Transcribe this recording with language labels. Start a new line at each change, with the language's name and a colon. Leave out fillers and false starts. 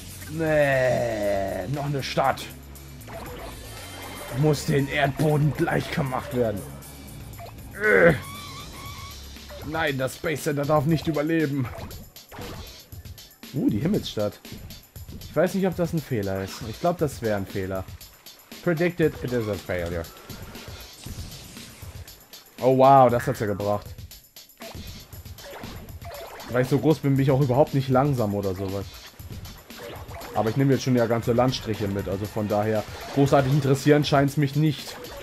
German: Nee, noch eine Stadt. Muss den Erdboden gleich gemacht werden. Nein, das Space Center darf nicht überleben. Die Himmelsstadt. Ich weiß nicht, ob das ein Fehler ist. Ich glaube, das wäre ein Fehler.
English: Predicted, it is a failure.
German: Oh wow, das hat's ja gebracht. Weil ich so groß bin, bin ich auch überhaupt nicht langsam oder sowas. Aber ich nehme jetzt schon ja ganze Landstriche mit. Also von daher, großartig interessieren scheint es mich nicht.